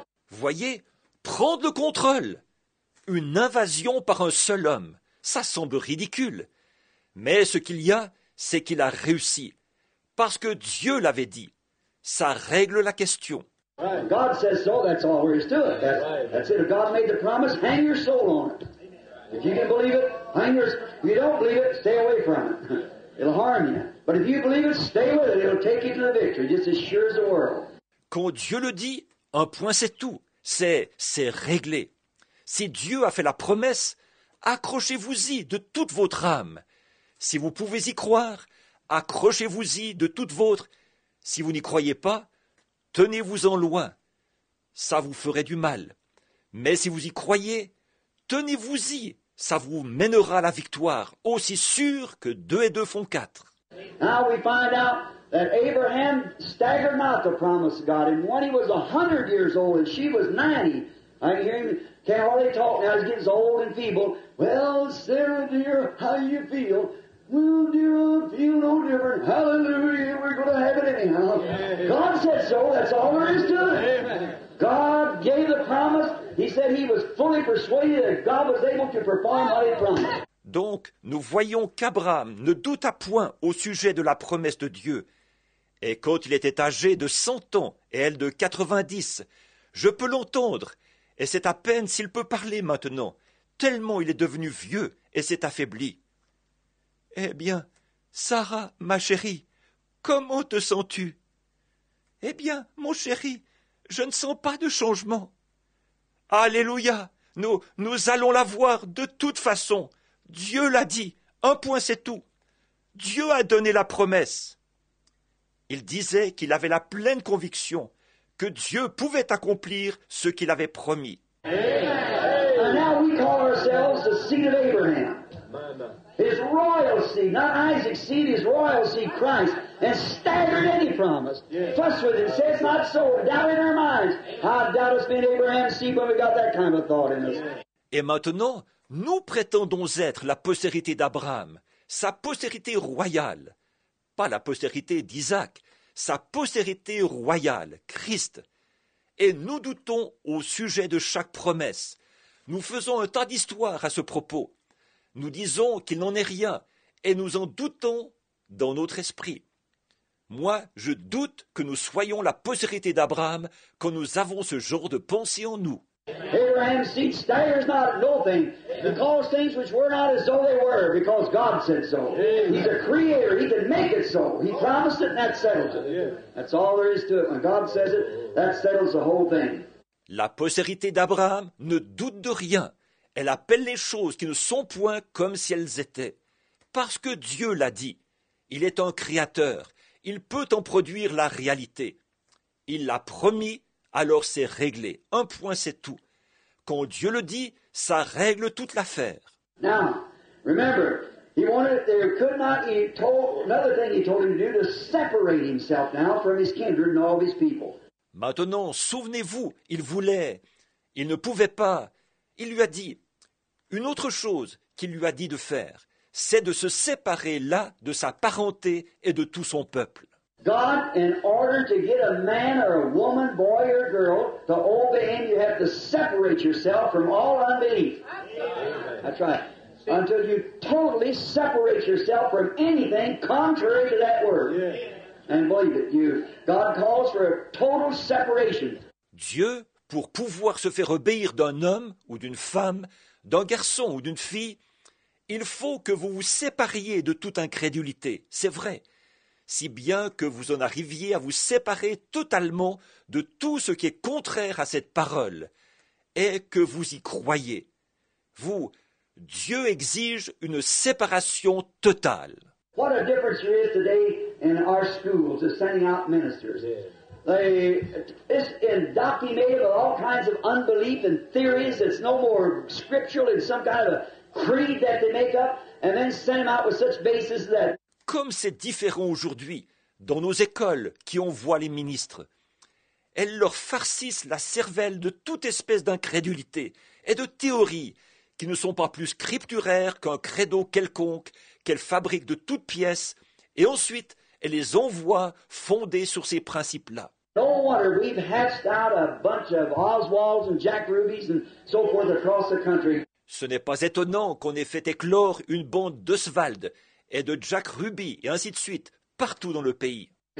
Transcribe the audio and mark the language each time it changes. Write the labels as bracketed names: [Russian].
[French] Voyez, prendre le contrôle. Une invasion par un seul homme. Ça semble ridicule. Mais ce qu'il y a, c'est qu'il a réussi. Parce que Dieu l'avait dit. Ça règle la question. [English] God says so, that's all there is to it. That's it. If God made the promise, hang your soul on it. If you can believe it, hang your... If you don't believe it, stay away from it. It'll harm you. But if you believe it, stay with it. It'll take you to the victory, just as sure as the world. [French] Quand Dieu le dit, un point c'est tout. C'est réglé. Si Dieu a fait la promesse, accrochez-vous-y de toute votre âme. Si vous pouvez y croire, accrochez-vous-y de toute votre... Si vous n'y croyez pas, tenez-vous-en loin. Ça vous ferait du mal. Mais si vous y croyez, tenez-vous-y, ça vous mènera à la victoire, aussi sûr que 2 et 2 font 4. [English] Now we find out that Abraham staggered not the promise of God. And when he was 100 years old and she was 90, I hear him, can't hardly talk now, he's getting old and feeble. Well, Sarah dear, how you feel? Well, dear, I feel no different. Hallelujah, we're going to have it anyhow. Yeah. God said so, that's all there is to it. God gave the promise. He said he was fully persuaded that God was able to perform what he promised. [French] Donc, nous voyons qu'Abraham ne douta point au sujet de la promesse de Dieu. Et quand il était âgé de 100 ans et elle de 90, je peux l'entendre, et c'est à peine s'il peut parler maintenant, tellement il est devenu vieux et s'est affaibli. Eh bien, Sarah, ma chérie, comment te sens-tu? Eh bien, mon chéri, je ne sens pas de changement. Alléluia, nous allons la voir de toute façon. Dieu l'a dit, un point c'est tout. Dieu a donné la promesse. Il disait qu'il avait la pleine conviction que Dieu pouvait accomplir ce qu'il avait promis. [English] And now we call ourselves the seed of Abraham. His royal seed, not Isaac's seed, his royal seed, Christ, and staggered any promise. Yeah. Fuss with it, says not so, doubt in our minds. How doubt us being Abraham's seed when we got that kind of thought in us. [French] Et maintenant, nous prétendons être la postérité d'Abraham, sa postérité royale. Pas la postérité d'Isaac, sa postérité royale, Christ. Et nous doutons au sujet de chaque promesse. Nous faisons un tas d'histoires à ce propos. Nous disons qu'il n'en est rien et nous en doutons dans notre esprit. Moi, je doute que nous soyons la postérité d'Abraham quand nous avons ce genre de pensée en nous. [English] Abraham's seed staggers not at nothing, because things which were not as though they were, because God said so. He's a creator, he can make it so. He promised it and that settles it. That's all there is to it. When God says it, that settles the whole thing. [French] La postérité d'Abraham ne doute de rien. Elle appelle les choses qui ne sont point comme si elles étaient. Parce que Dieu l'a dit. Il est un créateur. Il peut en produire la réalité. Il l'a promis, alors c'est réglé. Un point, c'est tout. Quand Dieu le dit, ça règle toute l'affaire. [English] Now, remember, he wanted, there could not, he told, another thing he told him to do, to separate himself now from his kindred and all his people. [French] Maintenant, souvenez-vous, il voulait, il ne pouvait pas, il lui a dit, une autre chose qu'il lui a dit de faire, c'est de se séparer là de sa parenté et de tout son peuple. [English] God, in order to get a man or a woman, boy or girl, to obey him, you have to separate yourself from all unbelief. That's right. Until you totally separate yourself from anything contrary to that word. And believe it, you. God calls for a total separation. [French] Dieu, pour pouvoir se faire obéir d'un homme ou d'une femme, d'un garçon ou d'une fille, il faut que vous vous sépariez de toute incrédulité, c'est vrai, si bien que vous en arriviez à vous séparer totalement de tout ce qui est contraire à cette parole, et que vous y croyez. Vous, Dieu exige une séparation totale. [English] What a difference there is today in our schools is sending out ministers. It's indoctrinated with all kinds of unbelief and theories. It's no more scriptural than some kind of a creed that they make up and then send them out with such bases that. [French] Comme c'est différent aujourd'hui dans nos écoles qui envoient les ministres. Elles leur farcissent la cervelle de toute espèce d'incrédulité et de théorie qui ne sont pas plus scripturaires qu'un credo quelconque qu'elles fabriquent de toutes pièces et ensuite elles les envoient fondées sur ces principes-là. [English] No wonder we've hatched out a bunch of Oswalds and Jack Rubies and so forth across the country. [French] Ce n'est pas étonnant qu'on ait fait éclore une bande d'Oswald et de Jack Ruby et ainsi de suite partout dans le pays.